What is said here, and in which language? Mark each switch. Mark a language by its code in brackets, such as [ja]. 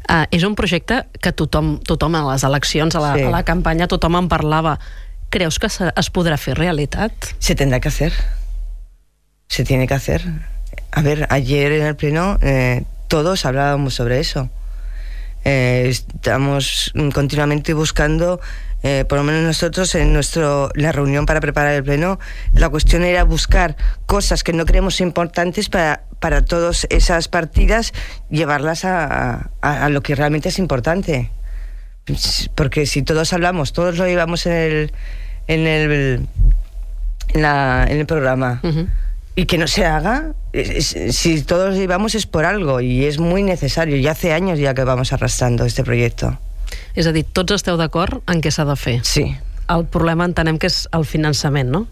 [ca] És un projecte que tothom a les eleccions, a la campanya, tothom en parlava. Creus que es podrà fer realitat? [es] Se tendrá que hacer. Se tiene que hacer. A ver, ayer en el pleno todos hablábamos sobre eso. Estamos continuamente buscando, por lo menos nosotros, en la reunión para preparar el pleno, la cuestión era buscar cosas que no creemos importantes para todas esas partidas, llevarlas a lo que realmente es importante. Porque si todos hablamos, todos lo llevamos en el programa, uh-huh. Y que no se haga, si todos lo llevamos es por algo, y es muy necesario. Ya hace años ya que vamos arrastrando este proyecto. [ca] És a dir, tots esteu d'acord en què s'ha de fer. Sí. El problema entenem que és el finançament, no?